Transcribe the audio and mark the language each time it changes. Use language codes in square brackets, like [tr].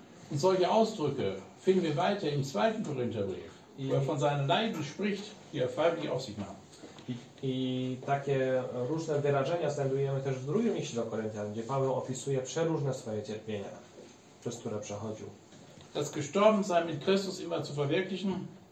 [de] Und solche Ausdrücke finden wir weiter im 2. Korintherbrief, wo er von seinen Leiden spricht, die er freiwillig auf sich nahm. [pl] I takie różne wyrażenia znajdujemy też w 2. liście do Koryntian, gdzie Paweł opisuje przeróżne swoje cierpienia, przez które przechodził. [de] Das Gestorbensein mit Christus immer zu verwirklichen.